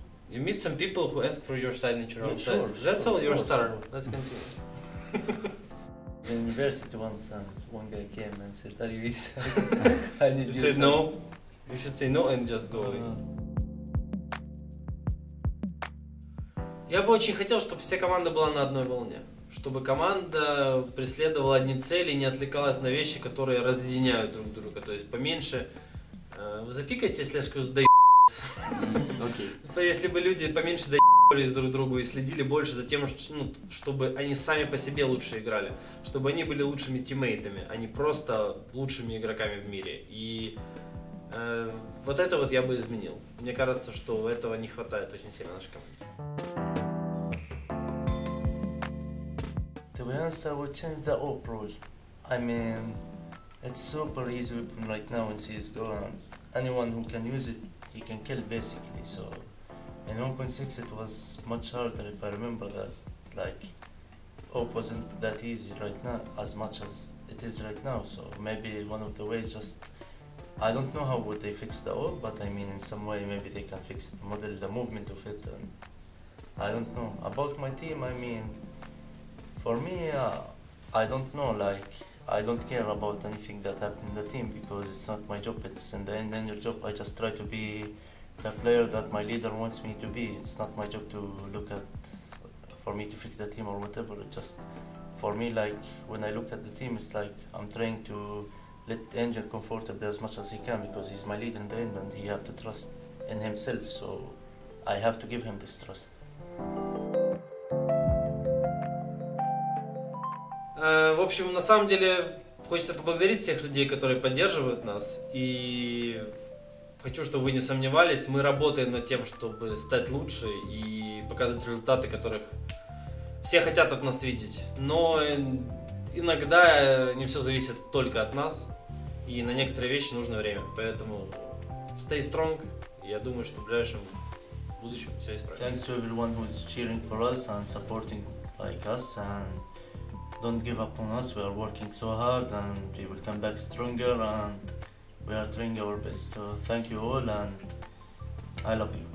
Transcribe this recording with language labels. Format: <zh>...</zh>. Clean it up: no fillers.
<en>You meet some people who ask for your signature outside. Sure, that's sure, all. You're a star. Sure. Let's continue. In university once, and one guy came and said, "Are you Issa?" I need you said no. You should say no and just go.</en> <ru>Я бы очень хотел, чтобы вся команда была на одной волне. Чтобы команда преследовала одни цели и не отвлекалась на вещи, которые разъединяют друг друга. То есть поменьше. Вы запикайте, если я скажу, да</ru> <en>okay.</en> <ru>Если бы люди поменьше да друг другу и следили больше за тем, что, ну, чтобы они сами по себе лучше играли. Чтобы они были лучшими тиммейтами, а не просто лучшими игроками в мире. И вот это вот я бы изменил. Мне кажется, что этого не хватает очень сильно нашей команде.</ru> <en>To be honest, I would change the AWP rule. I mean, it's super easy weapon right now in CSGO, and anyone who can use it, he can kill basically. So in 1.6 it was much harder, if I remember that. Like, AWP wasn't that easy right now, as much as it is right now. So maybe one of the ways, just, I don't know how would they fix the AWP, but I mean, in some way, maybe they can fix the model, the movement of it, and I don't know. About my team, I mean, for me, I don't know, like, I don't care about anything that happened in the team because it's not my job, it's in the end your job. I just try to be the player that my leader wants me to be. It's not my job to look at, for me to fix the team or whatever. It just, for me, like, when I look at the team, it's like I'm trying to let Angel comfortable as much as he can because he's my leader in the end and he have to trust in himself, so I have to give him this trust.</en> <ru>В общем, на самом деле, хочется поблагодарить всех людей, которые поддерживают нас. И хочу, чтобы вы не сомневались, мы работаем над тем, чтобы стать лучше и показывать результаты, которых все хотят от нас видеть. Но иногда не все зависит только от нас, и на некоторые вещи нужно время. Поэтому</ru> <en>stay strong,</en> <ru>я думаю, что в ближайшем будущем все исправится.</ru> <en>Thanks to everyone who is cheering for us and supporting like us. And don't give up on us, we are working so hard and we will come back stronger and we are trying our best. So thank you all and I love you.</en>